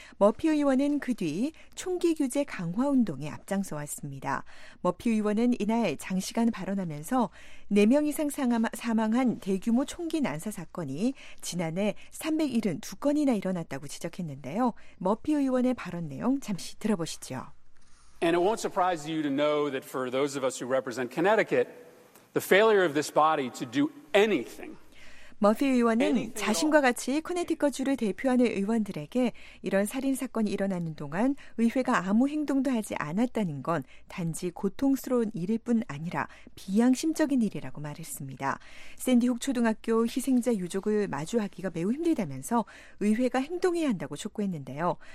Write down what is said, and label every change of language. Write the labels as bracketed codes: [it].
[ko] 머피 의원은 그 뒤 총기 규제 강화 운동에 앞장서왔습니다. 머피 의원은 이날 장시간 발언하면서 4명 이상 사망한 대규모 총기 난사 사건이 지난해 372건이나 일어났다고 지적했는데요. 머피 의원의 발언 내용 잠시 들어보시죠. [en] And it won't surprise you to know that for those of us who represent Connecticut, the failure of this body to do anything. [ko] 머피 의원은 자신과 같이 코네티컷주를 대표하는 의원들에게 이런 살인사건이 일어나는 동안 의회가 아무 행동도 하지 않았다는 건 단지 고통스러운 일일 뿐 아니라 비양심적인 일이라고 말했습니다. 샌디훅 초등학교 희생자 유족을 마주하기가 매우 힘들다면서 의회가 행동해야 한다고 촉구했는데요.